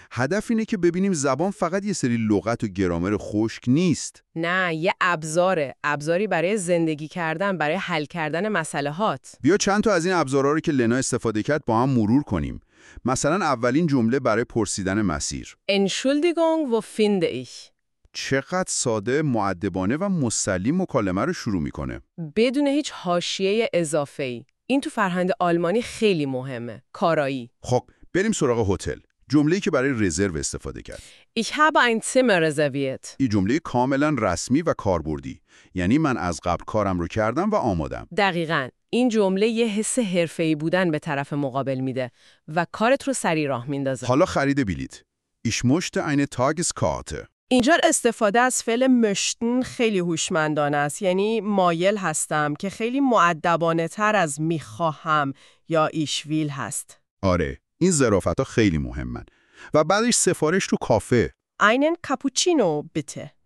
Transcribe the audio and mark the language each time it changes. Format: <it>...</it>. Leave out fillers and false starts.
<fa>هدف اینه که ببینیم زبان فقط یه سری لغت و گرامر خشک نیست. نه، یه ابزاره. ابزاری برای زندگی کردن، برای حل کردن مسئله هات. بیا چند تا از این ابزارها رو که لنا استفاده کرد با هم مرور کنیم. مثلا اولین جمله برای پرسیدن مسیر.</fa> <de>Entschuldigung, wo finde ich?</de> <fa>چقدر ساده، مؤدبانه و مسلی مکالمه رو شروع میکنه. بدون هیچ حاشیه اضافه ای. این تو فرهنگ آلمانی خیلی مهمه. کارایی. خب، بریم سراغ هتل. جمله‌ای که برای رزرو استفاده کرد.</fa> <de>Ich habe ein Zimmer reserviert.</de> <fa>این جمله کاملا رسمی و کاربردی. یعنی من از قبل کارم رو کردم و آمادم. دقیقاً. این جمله یه حس حرفه‌ای بودن به طرف مقابل میده و کارت رو سری راه میندازه. حالا خرید بلیط.</fa> <de>Ich möchte eine Tageskarte.</de> <fa>اینجا استفاده از فعل مشتن خیلی هوشمندانه است، یعنی مایل هستم، که خیلی مؤدبانه تر از میخواهم یا ایشویل هست. آره، این ظرافت ها خیلی مهمن. و بعدش سفارش تو کافه.</fa> <de>اینن کپوچینو بیته.</de>